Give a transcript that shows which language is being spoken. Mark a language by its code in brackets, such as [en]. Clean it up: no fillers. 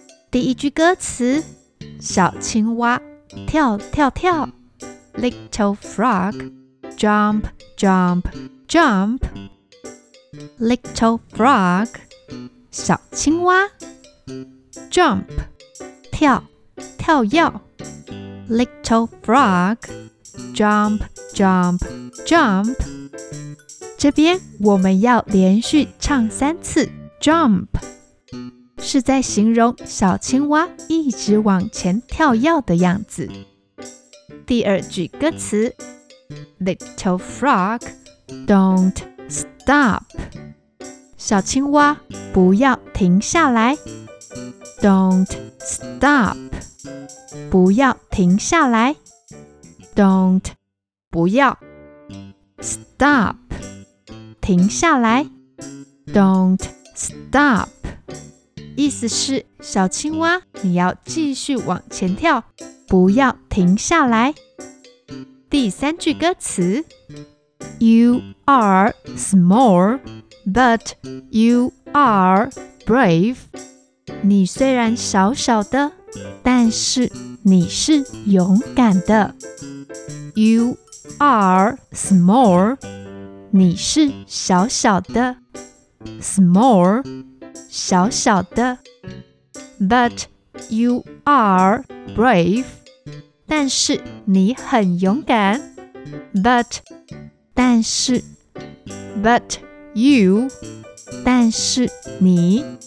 [zh] 第一句歌词：小青蛙跳跳跳 [en] ，Little frog jump jump jump，Little frog [zh] 小青蛙 [en] jump [zh] 跳跳跳。 [en] Little frog, jump, jump, jump. [zh] 这边我们要连续唱三次 jump， 是在形容小青蛙一直往前跳跃的样子。第二句歌词 [en] ，Little frog, don't stop. [zh] 小青蛙不要停下来 ， [en] don't stop. [zh] 不要停下来 ，Don't， 不要 ，Stop， 停下来 ， [en] Don't stop， [zh] 意思是小青蛙，你要继续往前跳，不要停下来。第三句歌词 [en] ，You are small， but you are brave， [zh] 你虽然小小的。但是你是勇敢的 [en] You are small [zh] 你是小小的 Small 小小的 [en] But you are brave [zh] 但是你很勇敢 But 但是 But you 但是你